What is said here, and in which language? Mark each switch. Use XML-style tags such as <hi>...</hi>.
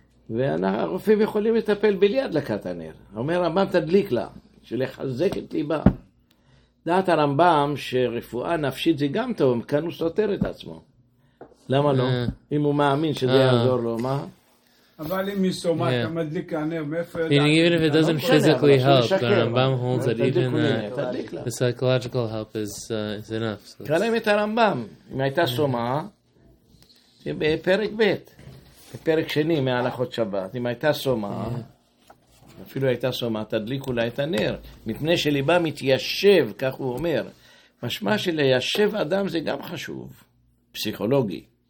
<he>והרופאים יכולים לטפל בלי הדלקת הנר. אומר הרמב״ם תדליק לה, שלחזק את ליבה. דעת הרמב״ם שרפואה נפשית זה גם טוב, כאן הוא סותר את עצמו. למה לא? אם הוא מאמין שזה יעזור לו, מה? אבל אם היא סומה, אתה מדליק הנר, מאיפה ידע?</he> <en>Even if it doesn't physically help, הרמב״ם holds that even the psychological help is enough.</en> <he>קרא להם את הרמב״ם, אם הייתה סומה, בפרק ב'. פרק שני מהלכות שבת, אם הייתה סומה, אפילו הייתה סומה, תדליקו לה את הנר, מפני שליבה מתיישב, כך הוא אומר. משמע שליישב אדם זה גם חשוב, פסיכולוגי.</he>